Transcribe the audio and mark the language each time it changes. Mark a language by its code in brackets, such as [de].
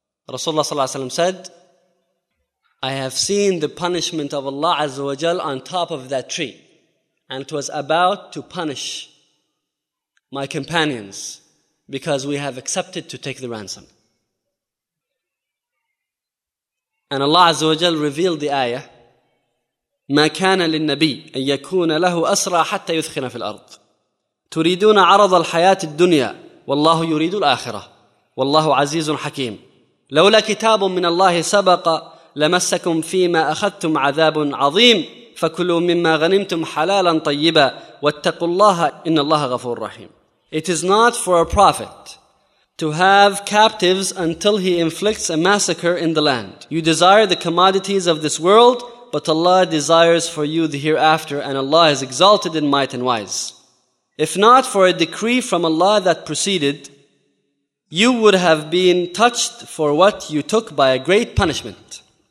[en] Rasulullah sallallahu alayhi wa sallam said, I have seen the punishment of Allah Azza wa Jal on top of that tree. And it was about to punish my companions because we have accepted to take the ransom. And Allah Azza wa Jal revealed the ayah, [ar] مَا كَانَ لِلنَّبِيِّ أَن يَكُونَ لَهُ أَسْرَى حَتَّى يُثْخِنَ فِي الْأَرْضِ تُرِيدُونَ عَرَضَ الْحَيَاةِ الدُّنْيَا وَاللَّهُ يُرِيدُ الْآخِرَةِ وَاللَّهُ عَزِيزٌ حَكِيمٌ لَوْلَا كِتَابٌ مِّنَ اللَّهِ سَبَقَ لَمَسَّكُمْ فِيمَا أَخَذْتُمْ عَذَابٌ عَظِيمٌ فَكُلُوا مِمَّا غَنِمْتُمْ حَلَالًا طَيِّبًا وَاتَّقُوا اللَّهَ إِنَّ اللَّهَ غَفُورٌ رَّحِيمٌ. [en] It is not for a prophet to have captives until he inflicts a massacre in the land. You desire the commodities of this world, but Allah desires for you the hereafter, and Allah is exalted in might and wise. If not for a decree from Allah that preceded, you would have been touched for what you took by a great punishment.